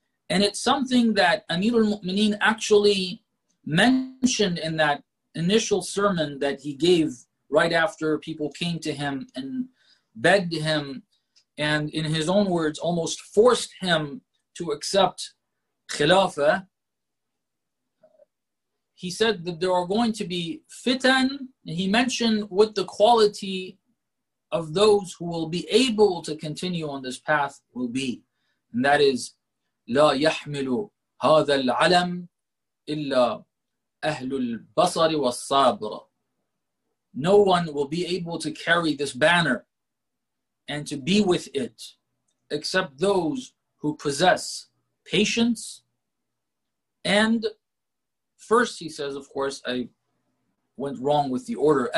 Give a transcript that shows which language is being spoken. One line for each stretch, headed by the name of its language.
English: And it's something that Amir al-Mu'mineen actually mentioned in that initial sermon that he gave right after people came to him and begged him, and in his own words, almost forced him to accept Khilafah. He said that there are going to be fitan, and he mentioned what the quality of those who will be able to continue on this path will be.
Arabic: And that is, لَا يَحْمِلُ هَذَا الْعَلَمْ إِلَّا أَهْلُ الْبَصَرِ وَالصَّابْرَ.
English: No one will be able to carry this banner and to be with it except those who possess patience. And first, he says, of course, I went wrong with the order.